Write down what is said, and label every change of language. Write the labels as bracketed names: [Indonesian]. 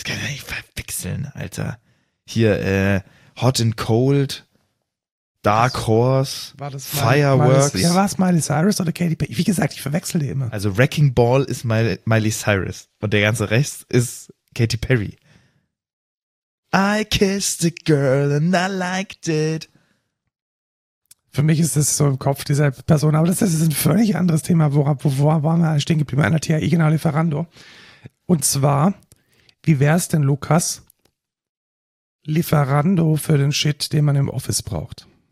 [German] Das kann ich nicht verwechseln, Alter. Hier, Hot and Cold, Dark Horse, war das Fireworks. Miley, ja, war es Miley Cyrus oder Katy Perry? Wie gesagt, ich verwechsel die immer. Also Wrecking Ball ist Miley Cyrus und der ganze Rest ist Katy Perry. [English] I kissed a girl and I liked it. [German] Für mich ist das so im Kopf dieser Person, aber das ist ein völlig anderes Thema. Wo waren wir stehen geblieben? An der THI, genau, Lieferando. Und zwar, wie wäre es denn, Lukas, Lieferando für den Shit, den man im Office braucht?